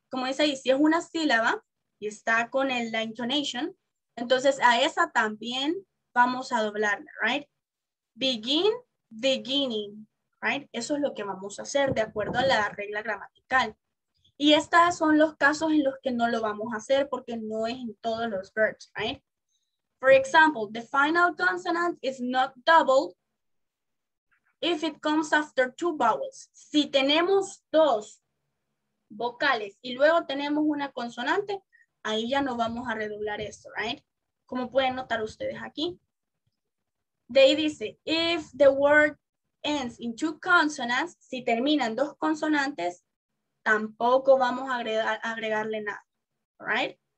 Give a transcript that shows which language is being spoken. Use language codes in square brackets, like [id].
[es] Como dice ahí, si es una sílaba y está con el, la intonation, entonces a esa también vamos a doblarla, right? [en] Begin, beginning, [es] right? Eso es lo que vamos a hacer de acuerdo a la regla gramatical. Y estos son los casos en los que no lo vamos a hacer porque no es en todos los verbs, right? [en] For example, the final consonant is not double if it comes after two vowels. [es] Si tenemos dos vocales y luego tenemos una consonante, ahí ya no vamos a redoblar esto, right? Como pueden notar ustedes aquí. De ahí dice, [en] if the word ends in two consonants, [es] si terminan dos consonantes, tampoco vamos a agregarle nada, right?